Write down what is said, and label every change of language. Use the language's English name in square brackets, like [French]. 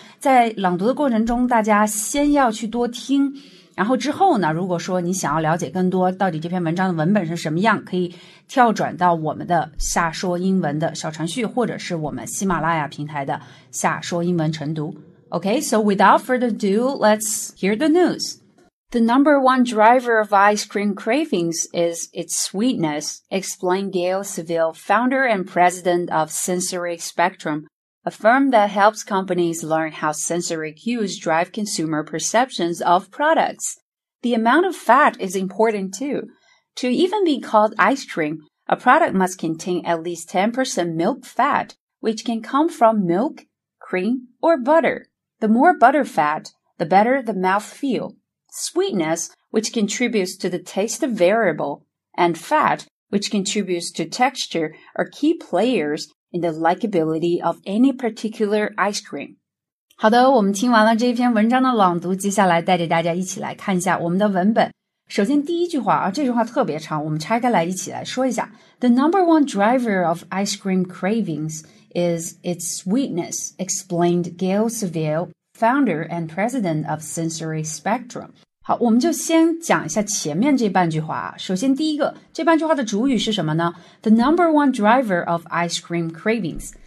[Chinese] 在朗读的过程中，大家先要去多听，然后之后呢，如果说你想要了解更多到底这篇文章的文本是什么样，可以跳转到我们的夏说英文的小程序，或者是我们喜马拉雅平台的夏说英文晨读。 [English] Okay, so without further ado, let's hear the news. The number one driver of ice cream cravings is its sweetness, explained Gail Seville, founder and president of Sensory Spectrum, a firm that helps companies learn how sensory cues drive consumer perceptions of products. The amount of fat is important too. To even be called ice cream, a product must contain at least 10% milk fat, which can come from milk, cream, or butter. The more butter fat, the better the mouthfeel. Sweetness, which contributes to the taste of variable, and fat, which contributes to texture, are key players in the likability of any particular ice cream. [Chinese] 好的，我们听完了这篇文章的朗读，接下来带着大家一起来看一下我们的文本。首先第一句话，这句话特别长，我们拆开来一起来说一下。 [English] The number one driver of ice cream cravings is its sweetness, explained Gail Seville, founder and president of Sensory Spectrum. [Chinese] 好，我们就先讲一下前面这半句话。首先第一个，这半句话的主语是什么呢？ [English] The number one driver of ice cream cravings.